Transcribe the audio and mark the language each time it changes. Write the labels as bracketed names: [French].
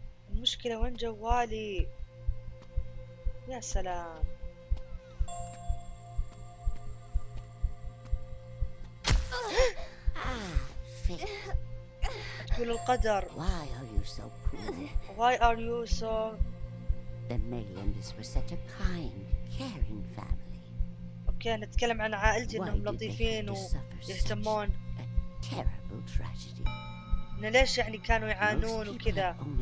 [Arabic] مشكلة وين جوالي؟ يا سلام تقول القدر. [English] Why are you so cruel? Why are you so... The Maylands were such a kind, caring family. [Arabic] اوكي نتكلم عن عائلتي انهم لطيفين ويهتمون. [English] A terrible tragedy. [Arabic] ان ليش يعني كانوا يعانون وكذا.